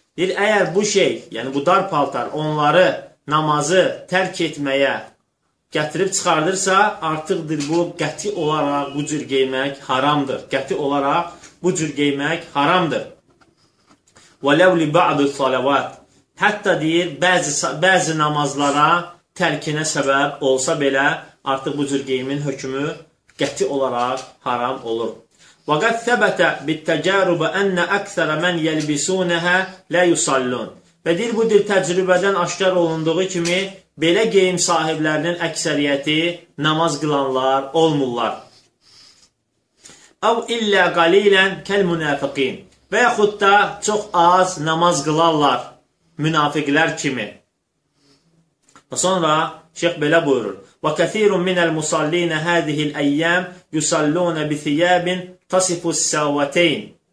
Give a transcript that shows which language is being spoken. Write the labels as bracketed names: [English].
[Azerbaijani] Deyir, əgər bu şey, yəni bu dar paltar onları namazı tərk etməyə gətirib çıxardırsa, artıqdır bu qəti olaraq bu cür geymək haramdır. Qəti olaraq bu cür geymək haramdır. Və ləvli bə'du salavat. Hətta deyir, bəzi namazlara tərkinə səbəb olsa belə, artıq bu cür geyimin hökmü qəti olaraq haram olur. [Arabic] وقد ثبت بالتجارب أن أكثر من يلبسونها لا يصلون. [Azerbaijani] Bədir bu dil təcrübədən aşkar olunduğu kimi belə geyim sahiblərinin əksəriyyəti namaz qılanlar olmurlar. [Arabic] أو إلا قليلا كالمنافقين. [Azerbaijani] Və yaxud da çox az namaz qılarlar münafiqlər kimi. Sonra Şeyx belə buyurur. [Arabic] وكثير من المصلين هذه الأيام يصلون بثياب تصف السواتين.